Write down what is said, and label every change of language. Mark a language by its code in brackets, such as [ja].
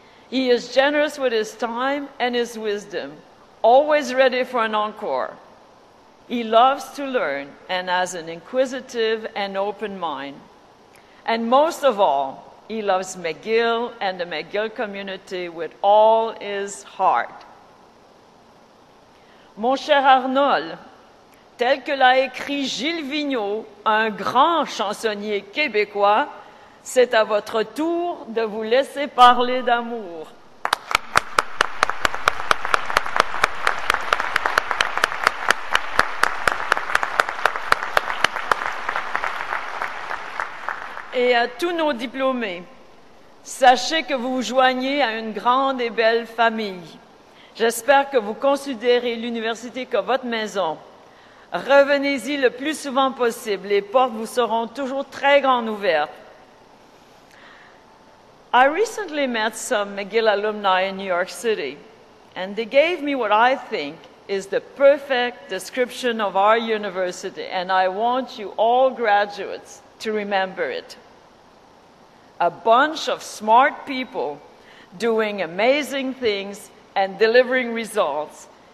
[en] He is generous with his time and his wisdom, always ready for an encore. He loves to learn and has an inquisitive and open mind. And most of all, he loves McGill and the McGill community with all his heart. [fr] Mon cher Arnold, tel que l'a écrit Gilles Vigneault, un grand chansonnier québécois, c'est à votre tour de vous laisser parler d'amour. Et à tous nos diplômés, sachez que vous vous joignez à une grande et belle famille. J'espère que vous considérez l'université comme votre maison. Revenez-y le plus souvent possible. Les portes vous seront toujours très grandes ouvertes. [en] I recently met some McGill alumni in New York City, and they gave me what I think is the perfect description of our university, and I want you all graduates to remember it. A bunch of smart people doing amazing things and delivering results.